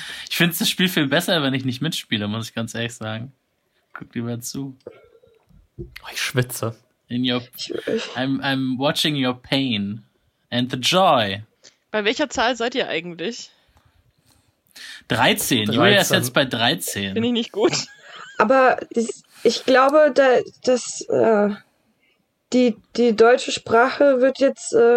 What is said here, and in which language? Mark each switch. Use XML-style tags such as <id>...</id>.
<de>Ich finde das Spiel viel besser, wenn ich nicht mitspiele, muss ich ganz ehrlich sagen. Guck lieber zu. Ich schwitze.</de> <en>I'm watching your pain and the joy.</en> <de>Bei welcher Zahl seid ihr eigentlich? 13. Julia ist jetzt bei 13. Bin ich nicht gut. Aber ich glaube, dass die deutsche Sprache wird jetzt...</de>